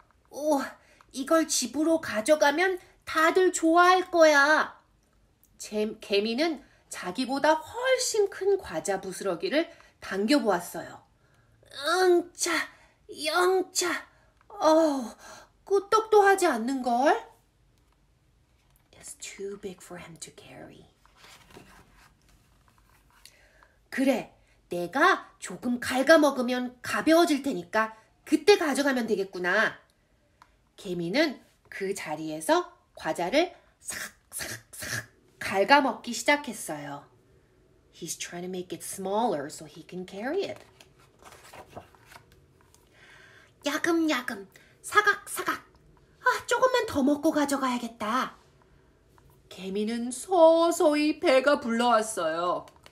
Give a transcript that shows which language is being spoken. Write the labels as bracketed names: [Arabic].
[Korean] 오, 이걸 집으로 가져가면 다들 좋아할 거야. 개미는 자기보다 훨씬 큰 과자 부스러기를 당겨보았어요. 응차, 영차, 어우, 꾸덕도 하지 않는걸? [English] It's too big for him to carry. [Korean] 그래, 내가 조금 갉아먹으면 가벼워질 테니까 그때 가져가면 되겠구나. 개미는 그 자리에서 과자를 싹싹싹 갉아먹기 시작했어요. [English] He's trying to make it smaller so he can carry it. [Korean] 야금야금, 사각사각. 아, 조금만 더 먹고 가져가야겠다. 개미는 서서히 배가 불러왔어요.